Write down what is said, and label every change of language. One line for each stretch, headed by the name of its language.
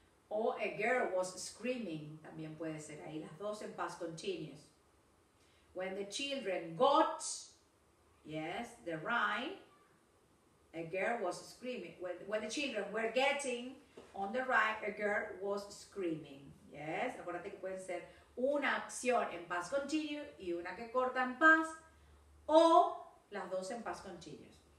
Spanish: O
English: a girl was screaming,
Spanish: también puede ser ahí, las dos en past continuous.
English: When the children got, yes, the rhyme, a girl was screaming. When the children were getting on the rhyme, a girl was screaming.
Spanish: Yes, acuérdate que pueden ser una acción en past continuous y una que corta en past, o las dos en past continuous.